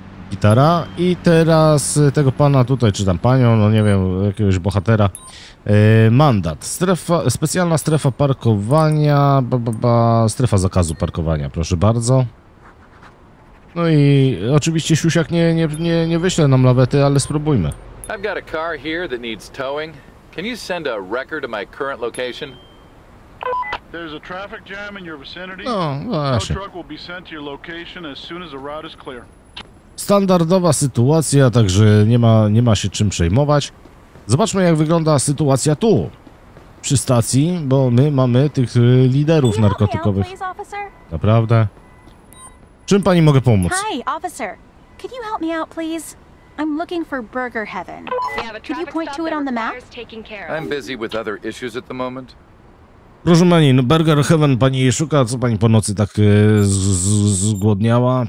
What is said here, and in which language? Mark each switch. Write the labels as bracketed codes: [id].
[pl] Gitara. I teraz tego pana tutaj, czy tam panią, no nie wiem, jakiegoś bohatera. Mandat. Strefa, specjalna strefa parkowania. Strefa zakazu parkowania, proszę bardzo. No i oczywiście siusiak nie wyśle nam lawety, ale spróbujmy. [en] I've got a car here that needs towing. Can you send a wrecker to my current location? There's a traffic jam in your vicinity. [pl] No, właśnie. [en] Truck will be sent to your location as soon as the route is clear. [pl] Standardowa sytuacja, także nie ma się czym przejmować. Zobaczmy, jak wygląda sytuacja tu, przy stacji, bo my mamy tych liderów narkotykowych. Naprawdę? Czym pani mogę pomóc? [en] Hi, officer. Could you help me out, please? I'm looking for Burger Heaven. Could you point to it on the map? I'm busy with other issues at the moment. [pl] Proszę pani, no Burger Heaven pani szuka, co pani po nocy tak zgłodniała?